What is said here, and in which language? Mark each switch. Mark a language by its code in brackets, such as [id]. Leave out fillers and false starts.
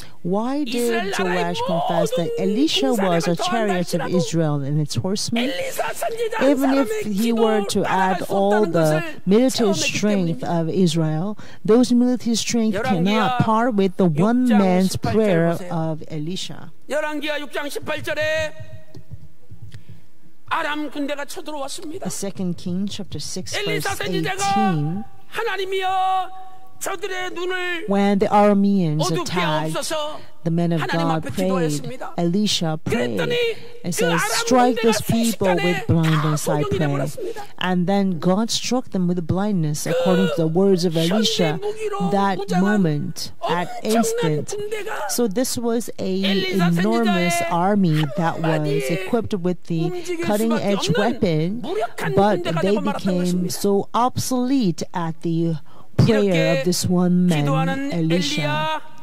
[en] Why did Joash confess that Elisha was a chariot of Israel and its horsemen? Even if he were to add all the military strength of Israel, those military strength cannot par with the one man's prayer of Elisha. [ko] 열왕기하 6장 18절에 아람 군대가 쳐들어왔습니다. [en] 2 Kings 6:18. [ko] 하나님이여 저들의 눈을 [en] When the Arameans attacked, the man of God prayed. Elisha prayed and says, "Strike those people with blindness." I pray, and then God struck them with blindness, according to the words of Elisha. That moment, that instant, so this was an enormous army that was equipped with the cutting-edge weapon, but they became so obsolete at the prayer of this one man, Elisha.